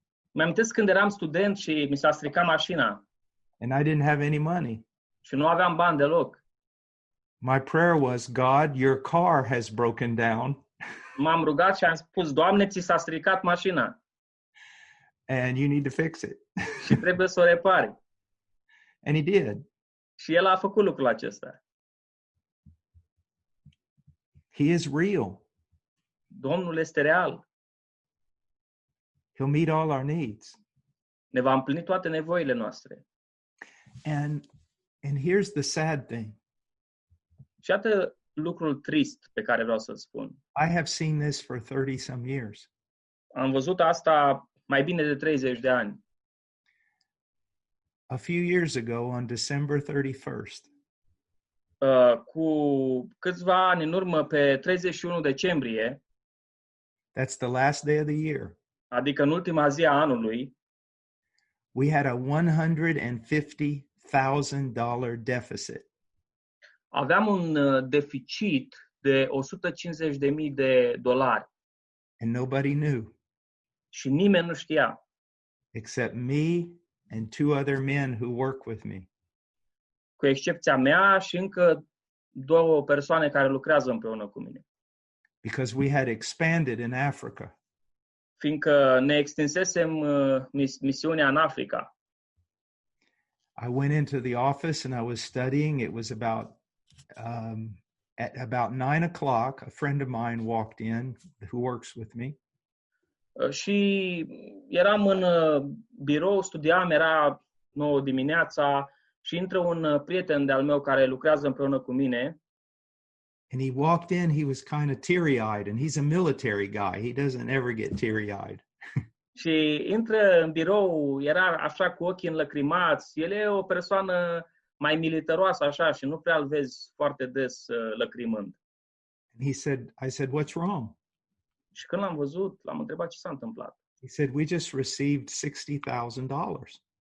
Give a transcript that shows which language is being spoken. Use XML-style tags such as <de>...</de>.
<ro>Mă amintesc când eram student și mi s-a stricat mașina.</ro> <en>And I didn't have any money.</en> <ro>Și nu aveam bani deloc.</ro> <en>My prayer was, God, your car has broken down.</en> <ro>M-am rugat și am spus, Doamne, ți s-a stricat mașina.</ro> <en>And you need to fix it.</en> <ro>Și trebuie să o repari.</ro> <en>And he did.</en> <ro>Și el a făcut lucrul acesta.</ro> <en>He is real.</en> <ro>Domnul este real.</ro> <en>He'll meet all our needs.</en> <ro>Ne va împlini toate nevoile noastre.</ro> <en>And here's the sad thing.</en> <ro>Și iată lucrul trist pe care vreau să-l spun.</ro> <en>I have seen this for 30 some years.</en> <ro>Am văzut asta mai bine de 30 de ani.</ro> <en>A few years ago, on December 31st.</en> <ro>Cu câțiva ani în urmă, pe 31 decembrie.</ro> <en>That's the last day of the year.</en> <ro>Adică în ultima zi a anului.</ro> <en>We had a $150,000 deficit.</en> <ro>Aveam un deficit de $150,000.</ro> <en>And nobody knew.</en> <ro>Și nimeni nu știa.</ro> <en>Except me and two other men who work with me.</en> <ro>Cu excepția mea și încă două persoane care lucrează împreună cu mine.</ro> <en>Because we had expanded in Africa.</en> <ro>Fiindcă ne extinsesem misiunea în Africa.</ro> <en>I went into the office and I was studying. It was about at about 9 o'clock, a friend of mine walked in who works with me.</en> <ro>Și eram în birou, studiam, era 9 dimineața și intră un prieten de-al meu care lucrează împreună cu mine.</ro> <en>And he walked in, he was kind of teary-eyed, and he's a military guy. He doesn't ever get teary-eyed.</en> <ro>Și intră în birou, era așa cu ochii înlăcrimați. El e o persoană mai militaroasă așa și nu prea îl vezi foarte des lăcrimând.</ro> <en>And he said, I said, what's wrong?</en> <ro>Și când l-am văzut, l-am întrebat ce s-a întâmplat.</ro> <en>He said, we just received $60,000.</en>